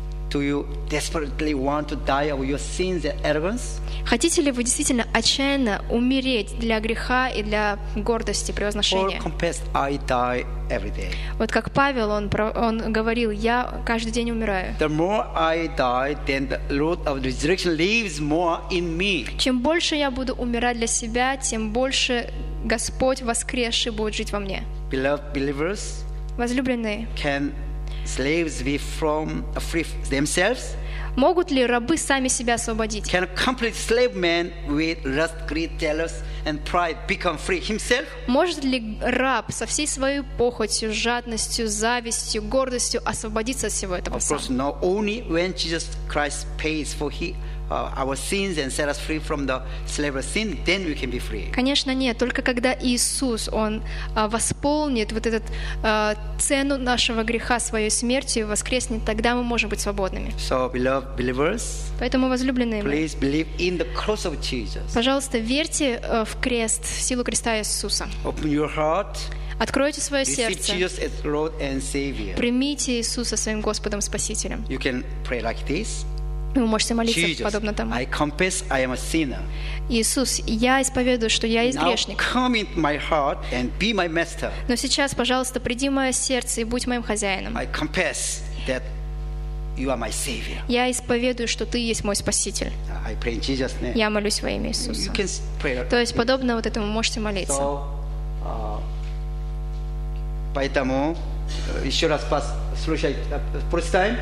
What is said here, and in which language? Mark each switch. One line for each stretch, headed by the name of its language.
English: Do you desperately want to die of your sins and arrogance?
Russian: Хотите ли вы действительно отчаянно умереть для греха и для гордости, превозношения? Вот как Павел, он говорил, я каждый день умираю.
English: The more I die, then the root of resurrection lives more in me.
Russian: Чем больше я буду умирать для себя, тем больше Господь воскресший будет жить во мне.
English: Beloved believers,
Russian: возлюбленные,
English: can slaves be free themselves?
Russian: Могут ли рабы сами себя освободить?
English: Can a complete slave man with lust, greed, jealousy, and pride become free himself?
Russian: Может ли раб со всей своей похотью, жадностью, завистью, гордостью освободиться от всего этого?
English: Of course, no. Only when Jesus Christ pays for our sins and set us free from the slavery of sin, then we can be free.
Russian: Конечно, нет. Только когда Иисус, Он восполнит вот этот цену нашего греха своей смертью, воскреснет, тогда мы можем быть свободными.
English: So, beloved believers,
Russian: поэтому, возлюбленные мои,
English: please believe in the cross of Jesus.
Russian: Пожалуйста, верьте в крест, в силу креста Иисуса.
English: Open your heart.
Russian: Откройте свое
English: Receive
Russian: сердце.
English: Jesus as Lord and Savior.
Russian: Примите Иисуса своим Господом и Спасителем.
English: You can pray like this.
Russian: Вы можете молиться
English: Jesus,
Russian: подобно тому.
English: I confess I am a sinner.
Russian: Иисус, я исповедую, что я есть грешник.
English: Now come into my heart and be my master.
Russian: Но сейчас, пожалуйста, приди в мое сердце и будь моим хозяином.
English: I confess that you are my savior.
Russian: Я исповедую, что ты есть мой спаситель.
English: I pray in Jesus' name.
Russian: Я молюсь во имя Иисуса.
English: You can pray like this.
Russian: То есть, подобно вот этому, можете молиться. So, поэтому, еще раз послушай, прочитаем.